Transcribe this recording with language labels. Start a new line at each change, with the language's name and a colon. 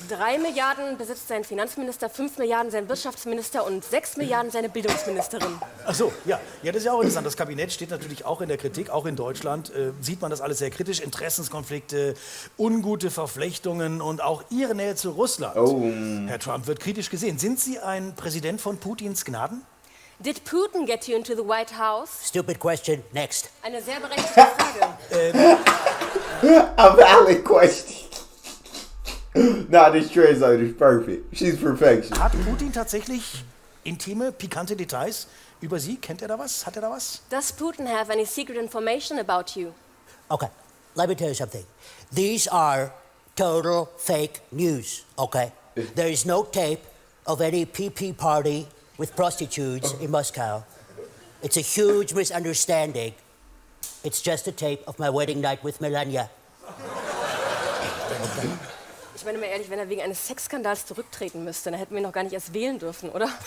German: 3 Milliarden besitzt sein Finanzminister, 5 Milliarden sein Wirtschaftsminister und 6 Milliarden seine Bildungsministerin. Ach so, ja. Ja, das ist ja auch interessant. Das Kabinett steht natürlich auch in der Kritik, auch in Deutschland. Sieht man das alles sehr kritisch. Interessenskonflikte, ungute Verflechtungen und auch Ihre Nähe zu Russland. Oh. Herr Trump wird kritisch gesehen. Sind Sie ein Präsident von Putins Gnaden?
English: Did Putin get you into the White House? Stupid question. Next.
German: Eine sehr berechtigte Frage.
English: A valid question. Nah, this translator is perfect. She's perfection.
German: Hat Putin tatsächlich intime, pikante Details über Sie? Kennt er da was? Hat er da was?
English: Does Putin have any secret information about you? Okay, let me tell you something. These are total fake news, okay? There is no tape of any PP party with prostitutes in Moscow. It's a huge misunderstanding. It's just a tape of my wedding night with Melania. Okay.
German: Ich meine mal ehrlich, wenn er wegen eines Sexskandals zurücktreten müsste, dann hätten wir noch gar nicht erst wählen dürfen, oder?